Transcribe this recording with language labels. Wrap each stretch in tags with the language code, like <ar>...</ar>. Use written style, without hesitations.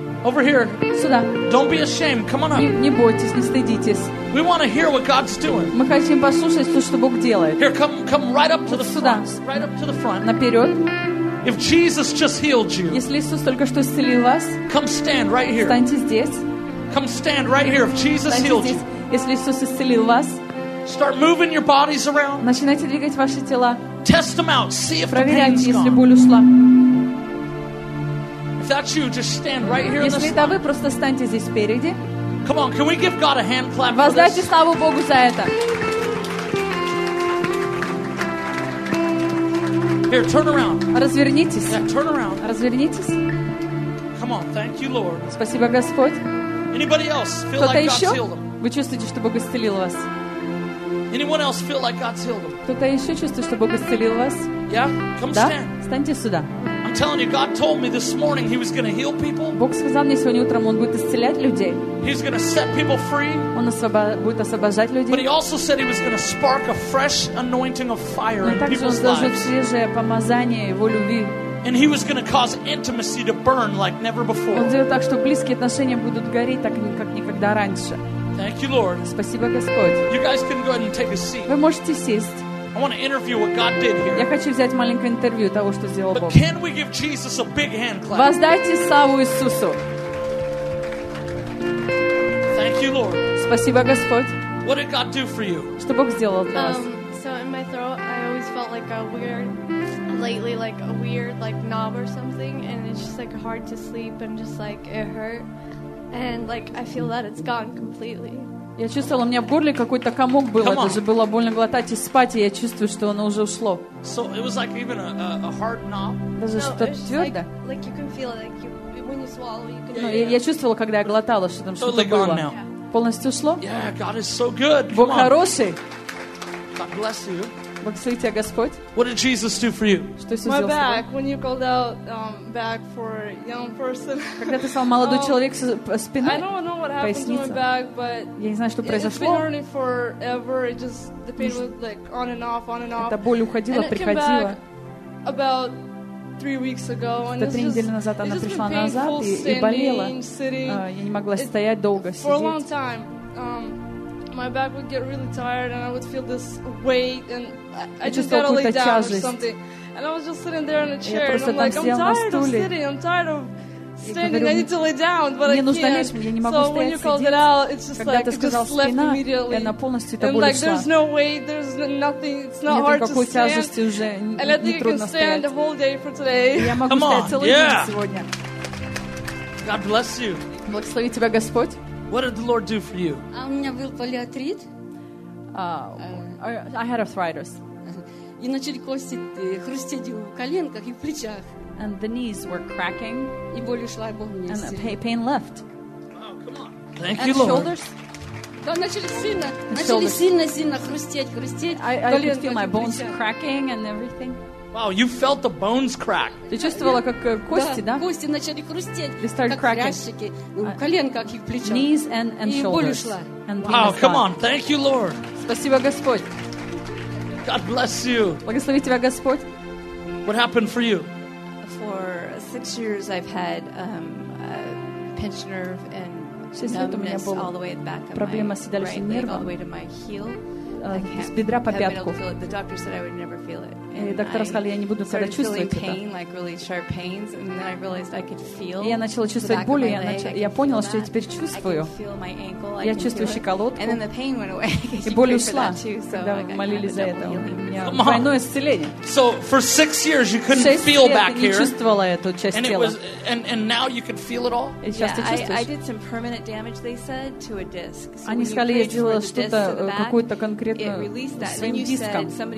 <en>Over here.</en> <ru>Сюда.</ru> <en>Don't be ashamed. Come on up.</en> <ru>Не бойтесь, не стыдитесь.</ru> <en>We want to hear what God's doing.</en> <ru>Мы хотим послушать то, что Бог делает.</ru> <en>Here, come right up to the</en> <ru>сюда.</ru> <en>Front. Right up to the front.</en> <ru>Наперед.</ru> <en>If Jesus just healed you.</en> <ru>Если Иисус только что исцелил вас.</ru> <en>Come stand right here.</en> <ru>Встаньте здесь.</ru> <en>Come stand right here if Jesus healed you.</en> <ru>Если Иисус исцелил вас.</ru> <en>Start moving your bodies around.</en> <ru>Начинайте двигать ваши тела.</ru> <en>Test them out. See if</en> <ru>Проверяйте,</ru> <en>the pain's gone.</en> <ru>Если боль ушла.</ru> <en>If that's you, just stand right here</en> <ru>Если это вы, просто станьте здесь впереди.</ru> <en>Come on, can we give God a hand clap</en> <ru>Воздайте славу Богу за это.</ru> <en>Here, turn around.</en> <ru>Развернитесь.</ru> <en>Yeah, turn around.</en> <ru>Развернитесь.</ru> <en>Come on, thank you, Lord.</en> <ru>Спасибо, Господь.</ru> <en>Anybody else feel</en> <ru>Кто-то</ru> <en>like</en> <ru>еще?</ru> <en>God's healed them?</en> <ru>Вы чувствуете, что Бог исцелил вас?</ru> <en>Anyone else feel like God's healed them?</en> <ru>Кто-то еще чувствует, что Бог исцелил вас?</ru> <en>Yeah, come</en> <ru>да?</ru> <en>stand.</en> <ru>Станьте сюда.</ru> <en>I'm telling you, God told me this morning He was going to heal people.</en> <ru>Бог сказал мне сегодня утром, Он будет исцелять людей.</ru> <en>He's going to set people free.</en> <ru>Он будет освобождать людей.</ru> <en>But He also said He was going to spark a fresh anointing of fire in people's lives.</en> <ru>Но также Он зажжет свежее помазание Его любви.</ru> <en>And He was going to cause intimacy to burn like never before.</en> <ru>Он сделает так, что близкие отношения будут гореть так, как никогда раньше.</ru> <en>Thank you, Lord.</en> <ru>Спасибо, Господь.</ru> <en>You guys can go ahead and take a seat.</en> <ru>Вы можете сесть.</ru> <en>I want to interview what God did here.</en> <ru>Я хочу взять маленькое интервью того, что сделал Бог.</ru> <en>But can we give Jesus a big hand clap?</en> <ru>Воздайте славу Иисусу.</ru> <en>Thank you, Lord.</en> <ru>Спасибо, Господь.</ru> <en>What did God do for you?</en> <ru>Что Бог сделал для вас?</ru> <en>So in my throat, I always felt like a weird, lately, like a weird, like knob or something, and it's just like hard to sleep and just like it hurt, and like I feel that it's gone completely.</en> <ru>Я чувствовала, у меня в горле какой-то комок был. Это же было больно глотать и спать, и я чувствую, что оно уже ушло.</ru> <en>So it was like even a hard knob.</en> <ru>Даже</ru> <en>no,</en> <ru>что-то твердое.</ru> <en>Like you can feel it, like when you swallow, you can.</en> <ru>Ну, я чувствовала, когда я глотала, что там</ru> <en>totally</en> <ru>что-то было.</ru> <en>Yeah.</en> <ru>Полностью ушло?</ru> <en>Yeah, God is so good.</en> <ru>Бог хороший.</ru> <en>God bless you.</en> <ru>Благослови тебя, Господь.</ru> <en>What did Jesus do for you?</en> <ru>Что Иисус</ru> <en>My</en> <ru>сделал</ru> <en>back,</en> <ru>с тобой?</ru> <en>When you called out back for young person.</en> <ru>Когда ты сказал молодой человек спиной?</ru> <en>I don't know what happened to my back, but</en> <ru>я не знаю, что произошло.</ru> <en>It's been hurting forever. It just the pain was like on and off, on and off. Эта боль уходила, приходила. And it came back about 3 weeks ago. Это три недели назад она пришла назад и болела. Я не могла стоять долго, сидеть. For a long time. My back would get really tired and I would feel this weight and I just gotta lay down or something. And I was just sitting there in a chair and I'm like, I'm tired of sitting, I'm tired of standing, I need to lay down, but I can't. So when you called it out, it's just like, it just left immediately. And like, there's no weight, there's nothing, it's not hard to stand. And I think you can stand the whole day for today. Come on, yeah. God bless you.</en> <ru>Благослови тебя, Господь.</ru> <en>What did the Lord do for you?</en> <ru>У меня был полиартрит.</ru> <en>I had arthritis.</en> <ru>И начали кости хрустеть в коленках и в плечах.</ru> <en>And the knees were cracking.</en> <ru>И боль ушла, и Бог</ru> <en>And the pain left. Wow, come on. Thank And you, Lord. Shoulders.</en> <ru>Да, начали сильно хрустеть.</ru> <en>I could feel my bones cracking and everything. Wow, you felt the bones crack.</en> <ru>Ты чувствовала, как кости, да? Кости начали хрустеть.</ru> <en>They started cracking.</en> <ru>Коленках и в плечах.</ru> <en>Knees and shoulders.</en> <ru>И боль ушла.</ru> <en>Wow, come on. Thank you, Lord.</en> <ru>Спасибо, Господь.</ru> <en>God bless you.</en> <ru>Благослови тебя, Господь.</ru> <en>What happened for you? For 6 years I've had a pinched nerve and numbness all the way at the back of my right leg, all the way to my heel.</en> <ru>С бедра по пятку.</ru> <en>The doctor said I would never feel it.</en> <ru>Доктора сказали, я не буду тогда чувствовать</ru> <en>pain,</en> <ru>это.</ru> <en>Like really sharp pains, and then I realized I could feel.</en> <ru>И я начала чувствовать боль, я начала, я поняла, что я теперь чувствую. Я чувствую щиколотку.</ru> <en>And then the pain went away.</en> <ru>И боль ушла. Когда молились за это, у меня двойное исцеление.</ru> <en>So for 6 years you couldn't feel back here.</en> <ru>Я не чувствовала эту часть тела.</ru> <en>And it was, and now you can feel it all.</en> <ru>И сейчас ты чувствуешь.</ru> <en>I did some permanent damage, they said, to a disc.</en> <ru>Они сказали, я сделала что-то какую-то конкретную своим диском.</ru>